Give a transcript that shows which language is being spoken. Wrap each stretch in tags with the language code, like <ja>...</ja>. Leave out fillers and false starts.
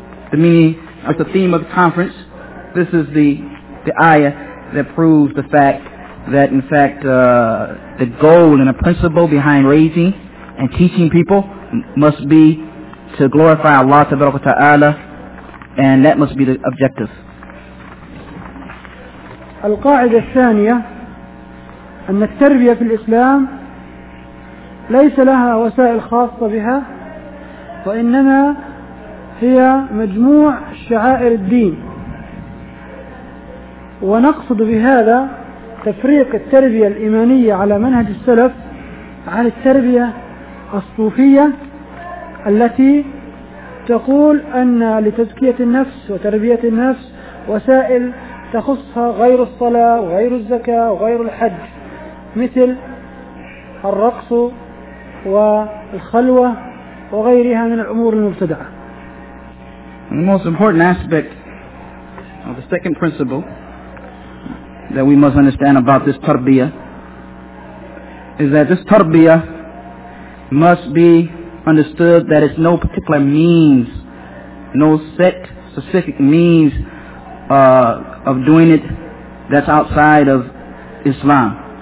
<en>The meaning of the theme of the conference, this is the ayah that proves the fact that in fact the goal and the principle behind raising and teaching people must be to glorify Allah tabaraka ta'ala, and that must be the objective.</en> <ar>القاعدة الثانية أن التربية في الإسلام ليس لها وسائل خاصة بها، وإنما هي مجموع شعائر الدين. ونقصد بهذا تفريق التربية الإيمانية على منهج السلف عن التربية الصوفية التي تقول أن لتزكية النفس وتربية النفس وسائل تخصها غير الصلاة وغير الزكاة وغير الحج، مثل الرقص والخلوة وغيرها من الأمور المبتدعة.</ar> <en>The most important aspect of the second principle that we must understand about this tarbiyah is that this tarbiyah must be understood that it's no particular means, no set specific means of doing it that's outside of Islam.</en>